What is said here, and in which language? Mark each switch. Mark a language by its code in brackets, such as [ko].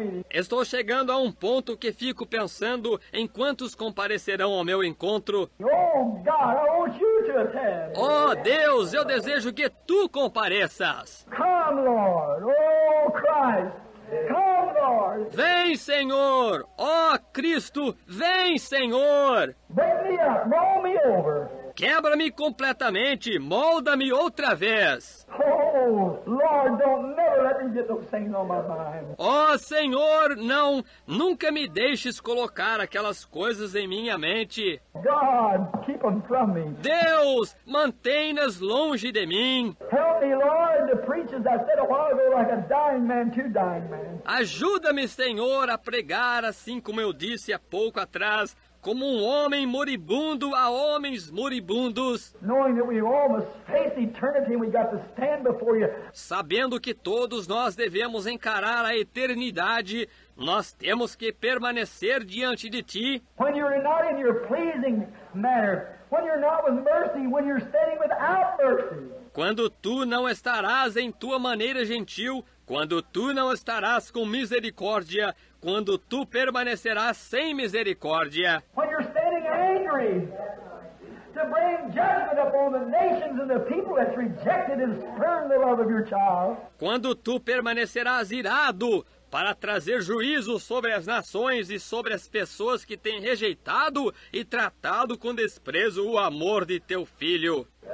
[pt] Estou chegando a um ponto que fico pensando em quantos comparecerão ao meu encontro. [en] Oh, God, I want you to attend. [pt] Oh, Deus, eu desejo que tu compareças. [en] Come, Lord. Oh, Christ. Come, Lord. [pt] Vem, Senhor. Oh, Cristo, vem, Senhor. [en] Break me up. Roll me over. [pt] Quebra-me completamente, molda-me outra vez. [en] Oh, Lord, don't never let me get those things on my mind. [pt] Oh, Senhor, não, nunca me deixes colocar aquelas coisas em minha mente. [en] God, keep them from me. [pt] Deus, mantém-nas longe de mim. [en] Help me, Lord, to preach as I said a while ago, like a dying man to dying man. [pt] Ajuda-me, Senhor, a pregar assim como eu disse há pouco atrás, como um homem moribundo a homens moribundos. [en] Knowing that we almost face eternity and we got to stand before you. [pt] Sabendo que todos nós devemos encarar a eternidade, nós temos que permanecer diante de ti. [en] When you're not in your pleasing manner, when you're not with mercy, when you're standing without mercy. [pt] Quando tu não estarás em tua maneira gentil, quando tu não estarás com misericórdia, quando tu permanecerás sem misericórdia. [en] When you're standing angry to bring judgment upon the nations and the people that's rejected and spurned the love of your child. [pt] Quando tu permanecerás irado para trazer juízo sobre as nações e sobre as pessoas que têm rejeitado e tratado com desprezo o amor de teu filho.